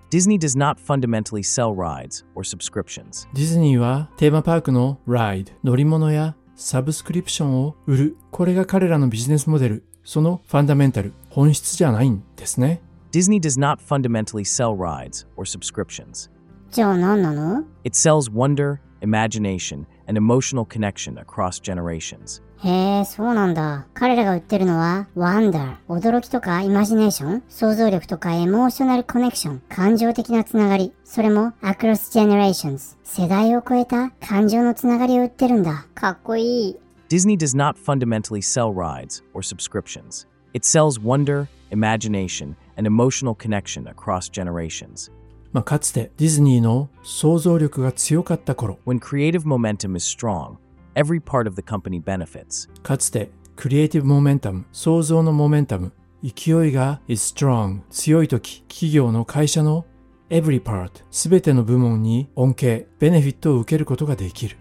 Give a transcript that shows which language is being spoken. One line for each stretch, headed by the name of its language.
English: Disney does not fundamentally sell rides or subscriptions.
Japanese: ディズニーはテーマパークのライド、乗り物やサブスクリプションを売る、これが彼らのビジネスモデル、そのファンダメンタル、本質じゃないんですね。
English: Disney does not fundamentally sell rides or subscriptions
Japanese: じゃあ何なの？
English: It sells wonder, imagination, and emotional connection across generations.
Japanese: へえ、そうなんだ。彼らが売ってるのは wonder、驚きとかイマジネーション、想像力とかエモーショナルコネクション、感情的なつながり、それも
English: across generations、
Japanese: 世代を超えた感情のつながりを売ってるんだ。かっこいい。
English: Disney does not fundamentally sell rides or subscriptions. It sells wonder, imagination, and emotional connection across generations.
Japanese: まあ、かつてディズニーの創造力が強かった頃、
English: When creative momentum is strong, every part of the company benefits.
Japanese: かつてクリエイティブモメンタム、創造のモメンタム、勢いが is strong, 強い時、企業の会社の every part, 全ての部門に恩恵、ベネフィットを受けることができる。